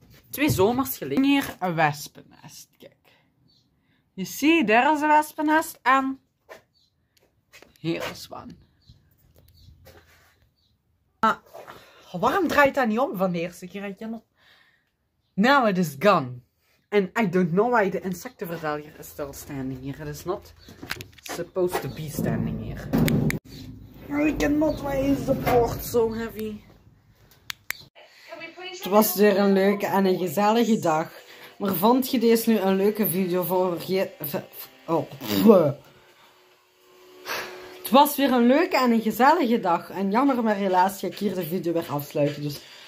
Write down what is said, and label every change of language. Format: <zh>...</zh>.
<nl>Twee zomers geleden. Hier een wespennest. Kijk. Je ziet, daar is een wespennest. En hier is van. Waarom draait dat niet om van de eerste keer?</nl> <en>Now it is gone. And I don't know why the insectenverdelger is still standing here. It is not supposed to be standing here. I cannot, why is the port so heavy?</en> <nl>Het was weer een leuke en een gezellige dag. Maar vond je deze nu een leuke video voor je... Het was weer een leuke en een gezellige dag. En jammer maar helaas ga ik hier de video weer afsluiten. Dus...</nl>